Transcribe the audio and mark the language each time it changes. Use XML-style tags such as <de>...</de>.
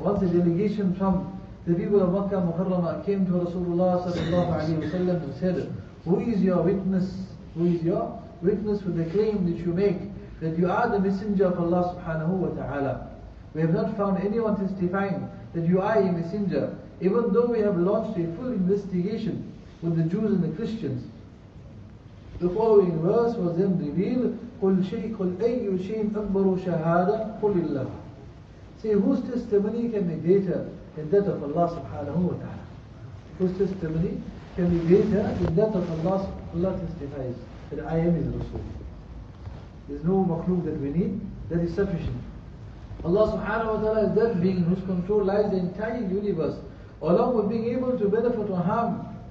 <en>Once a delegation from the people of Makkah Muharramah came to Rasulullah sallallahu alayhi wa sallam and said, who is your witness? Who is your witness for the claim that you make that you are the messenger of Allah subhanahu wa ta'ala? We have not found anyone testifying that you are a messenger, even though we have launched a full investigation with the Jews and the Christians. The following verse was then revealed,</en> <ar>قُلْ شَيْءٍ قُلْ أَيُّ شَيْءٍ أَكْبَرُ شَهَادَةً قُلِ اللَّهُ.</ar> <en>See, whose testimony can be greater than that of Allah subhanahu wa ta'ala? Whose testimony can be greater than that of Allah? Allah testifies that I am His Rasul. There's no makhluk that we need. that is sufficient. Allah subhanahu wa ta'ala is that being whose control lies the entire universe, along with being able to benefit or harm.</en>